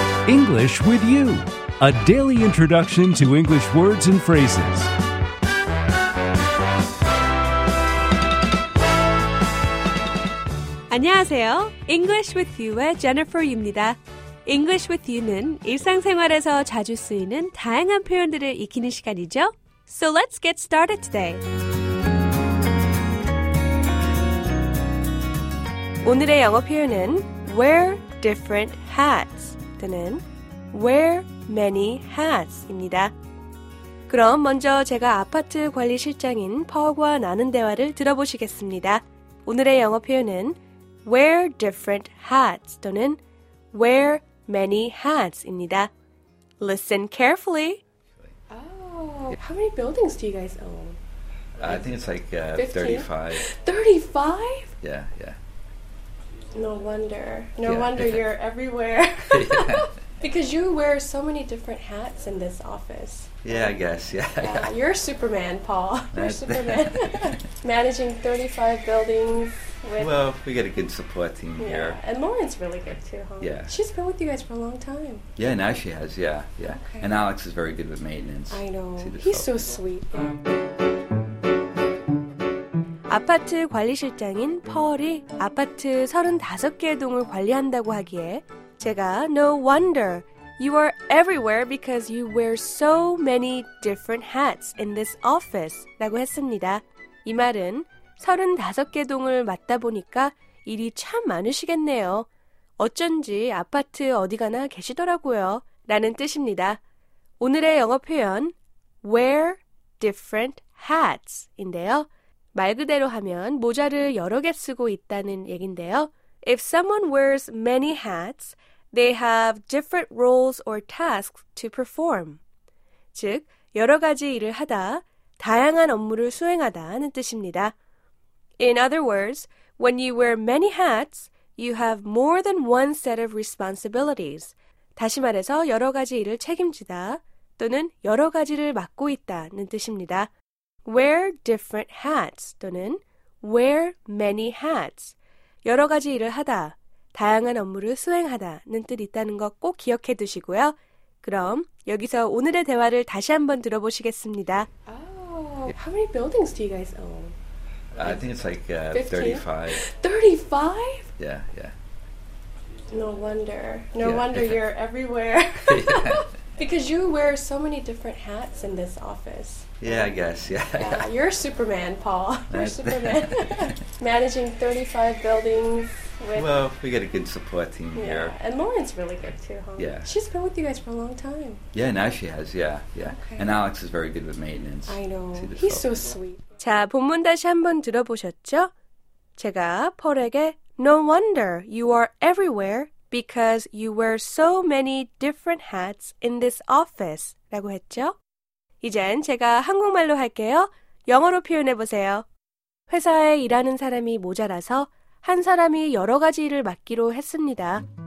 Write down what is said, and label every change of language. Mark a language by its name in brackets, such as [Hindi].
[English] English with you, a daily introduction to English words and phrases. [Korean] English with you의 Jennifer입니다. English with you는 일상생활에서 자주 쓰이는 다양한 표현들을 익히는 시간이죠. [English] So let's get started today. [Korean] 오늘의 영어 표현은 [English] wear different hats [Korean] 또는 [English] wear many hats [Korean] 입니다. 그럼 먼저 제가 아파트 관리실장인 퍼그와 나눈 대화를 들어보시겠습니다. 오늘의 영어 표현은 [English] wear different hats [Korean] 또는 [English] wear many hats [Korean] 입니다. [English] Listen carefully. Oh, how many buildings do you guys own? I think it's like 35. 35? Yeah, yeah. No wonder. No wonder you're everywhere. Because you wear so many different hats in this office. Yeah, I guess. Yeah. You're Superman, Paul. You're Superman. Managing 35 buildings. Well, we got a good support team here. And Lauren's really good too, huh? Yeah. She's been with you guys for a long time. Yeah, now she has, yeah. Okay. And Alex is very good with maintenance. I know. He's so sweet. Yeah. [Korean] 아파트 관리실장인 펄이 아파트 35개의 동을 관리한다고 하기에 제가 [English] no wonder you are everywhere because you wear so many different hats in this office [Korean] 라고 했습니다. 이 말은 35개 동을 맡다 보니까 일이 참 많으시겠네요. 어쩐지 아파트 어디가나 계시더라고요. 라는 뜻입니다. 오늘의 영어 표현 [English] wear different hats [Korean] 인데요. 말 그대로 하면 모자를 여러 개 쓰고 있다는 얘긴데요. [English] If someone wears many hats, they have different roles or tasks to perform. [Korean] 즉, 여러 가지 일을 하다, 다양한 업무를 수행하다 하는 뜻입니다. [English] In other words, when you wear many hats, you have more than one set of responsibilities. [Korean] 다시 말해서 여러 가지 일을 책임지다 또는 여러 가지를 맡고 있다는 뜻입니다. [English] Wear different hats 또는 wear many hats. [Korean] 여러 가지 일을 하다, 다양한 업무를 수행하다는 뜻 있다는 거 꼭 기억해 두시고요. 그럼 여기서 오늘의 대화를 다시 한번 들어보시겠습니다. [English] Oh, how many buildings do you guys own? I think it's like 35. 35? Yeah. No wonder you're everywhere. Because you wear so many different hats in this office. Yeah, I guess, yeah. You're Superman, Paul. You're Superman. Managing 35 buildings. Well, we got a good support team here. And Lauren's really good too, huh? Yeah. She's been with you guys for a long time. Yeah, now she has, yeah. Okay. And Alex is very good with maintenance. I know. He's so sweet. [Korean] 자, 본문 다시 한번 들어보셨죠? 제가 펄에게 [English] No wonder you are everywhere because you wear so many different hats in this office [Korean] 라고 했죠? 이젠 제가 한국말로 할게요. 영어로 표현해 보세요. 회사에 일하는 사람이 모자라서 한 사람이 여러 가지 일을 맡기로 했습니다.